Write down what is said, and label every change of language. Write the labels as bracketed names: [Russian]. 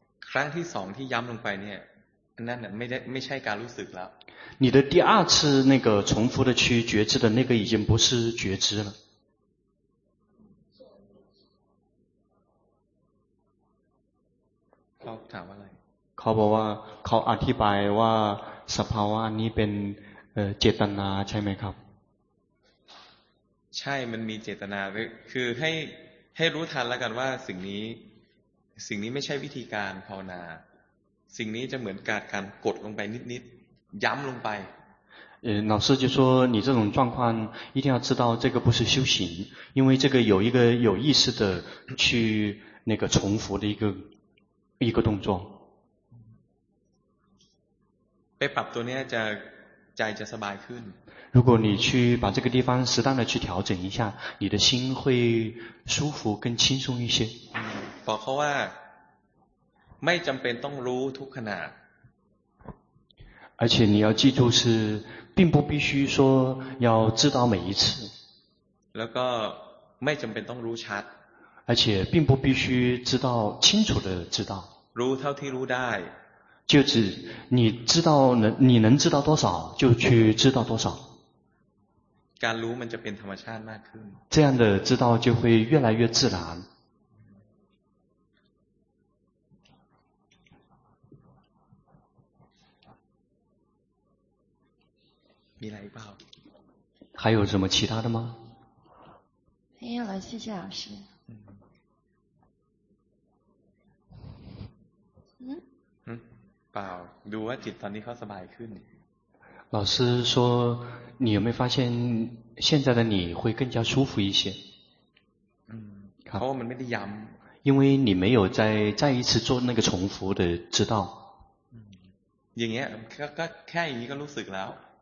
[Thai] ครั้งที่สองที่ย้ำลงไปเนี่ยนั่นไม่ใช่การรู้สึกแล้ว。 [Chinese] 你的第二次那个重复的去觉知的那个已经不是觉知了。 [Thai] เขาถามว่าอะไร？ เขาบอกว่าเขาอธิบายว่าสภาวะนี้เป็นเจตนาใช่ไหมครับ ใช่มันมีเจตนาคือให้รู้ทันแล้วกันว่าสิ่งนี้ไม่ใช่วิธีการภาวนาสิ่งนี้จะเหมือนการกดลงไปนิดๆย้ำลงไป [Chinese] 老师就说你这种状况一定要知道这个不是修行因为这个有一个有意识的去那个重复的一个动作 [Thai] ไปปรับตัวนี้จะใจจะสบายขึ้น [Chinese] 如果你去把这个地方适当的去调整一下，你的心会舒服更轻松一些。 [Thai] บอกเขาว่าไม่จำเป็นต้องรู้ทุกขณะ。 [Chinese] 而且你要记住是，并不必须说要知道每一次。 [Thai] แล้วก็ไม่จำเป็นต้องรู้ชัด。 [Chinese] 而且并不必须知道清楚的知道。 [Thai] รู้เท่าที่รู้ได้。 [Chinese] 就只你知道你能知道多少就去知道多少。 [Thai] การรู้มันจะเป็นธรรมชาติมากขึ้น [Chinese] 这样的知道就会越来越自然 [Thai] มีอะไรเปล่า [Chinese] 还有什么其他的吗？没有了，谢谢老师。嗯。嗯。 [Thai] 宝，ดูว่าจิตตอนนี้เขาสบายขึ้น。 [Chinese] 老师说，你有没有发现现在的你会更加舒服一些？ [Thai] 嗯。เพราะว่ามันไม่ได้ย้ำ。 [Chinese] 因为你没有再一次做那个重复的知道。 [Thai] 嗯。อย่างเงี้ย，ก็แค่อย่างนี้ก็รู้สึกแล้ว。